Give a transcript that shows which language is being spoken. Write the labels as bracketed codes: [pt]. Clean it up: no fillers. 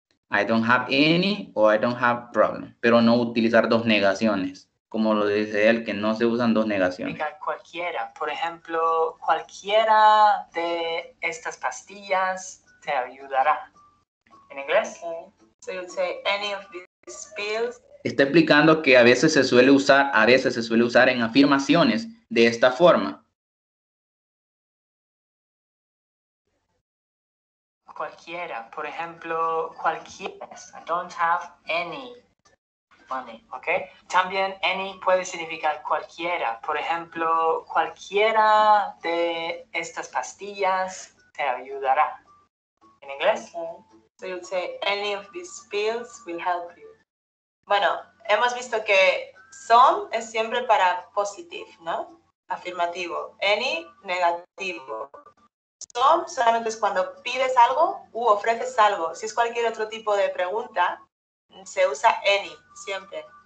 [en] I don't have any, o I don't have problem. [es] Pero no utilizar dos negaciones. Como lo dice él, que no se usan dos negaciones. Cualquiera, por ejemplo, cualquiera de estas pastillas te ayudará. ¿En inglés? [en] Okay. So you say any of these pills. [es] Está explicando que a veces se suele usar en afirmaciones de esta forma. [en] Cualquiera, por ejemplo, cualquiera. I don't have any money, ¿ok? [es] También any puede significar cualquiera. Por ejemplo, cualquiera de estas pastillas te ayudará. ¿En inglés? [en] Okay. So you'd say any of these pills will help you. [es] Bueno, hemos visto que some es siempre para positive, ¿no? Afirmativo. Any, negativo. Some solamente es cuando pides algo u ofreces algo. Si es cualquier otro tipo de pregunta, se usa any, siempre.